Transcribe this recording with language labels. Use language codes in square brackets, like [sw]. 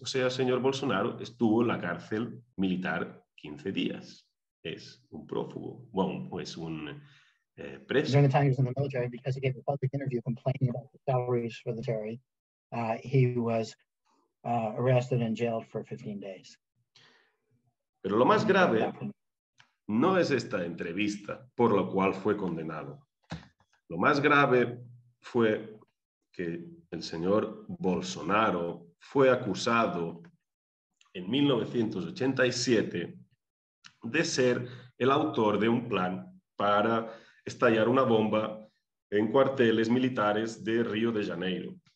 [es] O sea, el señor Bolsonaro estuvo en la cárcel militar 15 días. Es un prófugo. Bueno, pues un preso. [en] During the time he was in the military, because he gave a public interview complaining about the salaries for the military, he was arrested and jailed for 15 days. [es] Pero lo más grave no es esta entrevista por la cual fue condenado. Lo más grave fue que el señor Bolsonaro fue acusado en 1987 de ser el autor de un plan para estallar una bomba en cuarteles militares de Río de Janeiro.